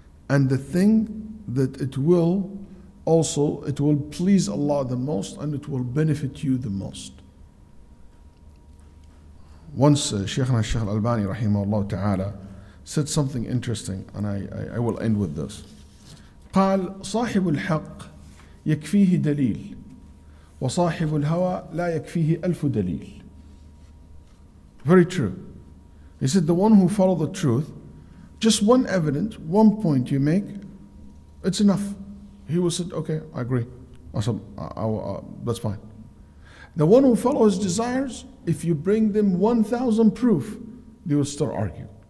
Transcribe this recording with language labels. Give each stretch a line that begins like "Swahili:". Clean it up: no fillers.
English: And the thing that it will also, it will please Allah the most and it will benefit you the most. Once Shaykhna Shaykh al-Albani rahimahullah ta'ala said something interesting, and I will end with this.
Arabic: قال صاحب الحق يكفيه دليل وصاحب الهوى لا يكفيه ألف دليل.
English: Very true. He said the one who follows the truth, just one evidence, one point you make, it's enough. He will say, okay, I agree. Awesome. That's fine. The one who follows his desires, if you bring them 1,000 proof, they will still argue.